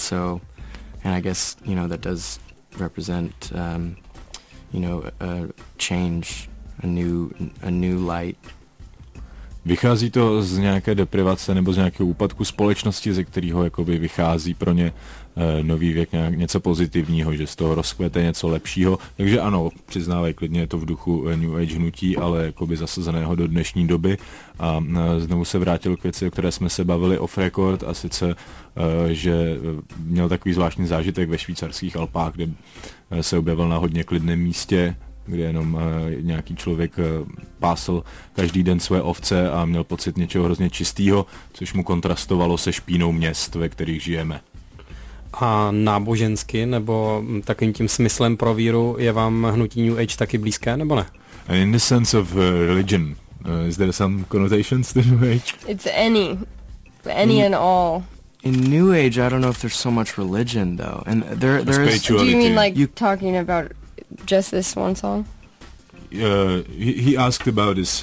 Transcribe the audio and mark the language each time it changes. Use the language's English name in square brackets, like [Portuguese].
[English] So, and I guess, you know, that does represent a change, a new light. [Czech] Vychází to z nějaké deprivace nebo z nějakého úpadku společnosti, ze kterého jakoby vychází pro ně nový věk, nějak něco pozitivního, že z toho rozkvete něco lepšího. Takže ano, přiznávají klidně, je to v duchu New Age hnutí, ale jakoby zasazeného do dnešní doby. A znovu se vrátil k věci, o které jsme se bavili off record, a sice, že měl takový zvláštní zážitek ve švýcarských Alpách, kde se objevil na hodně klidném místě, kde jenom nějaký člověk pásl každý den své ovce a měl pocit něčeho hrozně čistého, což mu kontrastovalo se špínou měst, ve kterých žijeme. A nábožensky nebo takovým tím smyslem pro víru je vám hnutí New Age taky blízké, nebo ne? [English] And in the sense of religion, is there some connotations to New Age? It's any and all. In New Age, I don't know if there's so much religion though. And there is. Do you mean like talking about just this one song? He asked about this.